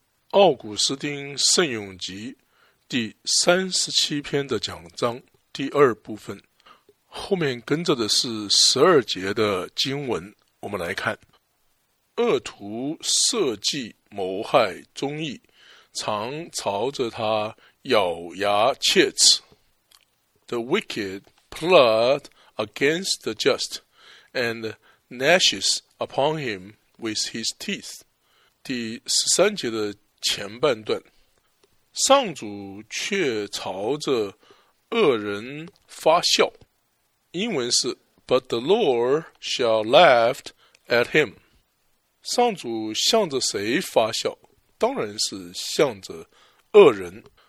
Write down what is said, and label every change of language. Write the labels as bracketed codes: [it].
[zh] 奥古斯丁圣咏集第37篇的讲章第二部分，后面跟着的是12节的经文，我们来看。恶徒设计谋害忠义，常朝着他咬牙切齿。 [en] The wicked plot against the just and gnashes upon him with his teeth。 [zh] 第13节的前半段，上主却朝着恶人发笑，英文是 [en] But the Lord shall laugh at him。 [zh] 上主向着谁发笑？当然是向着恶人。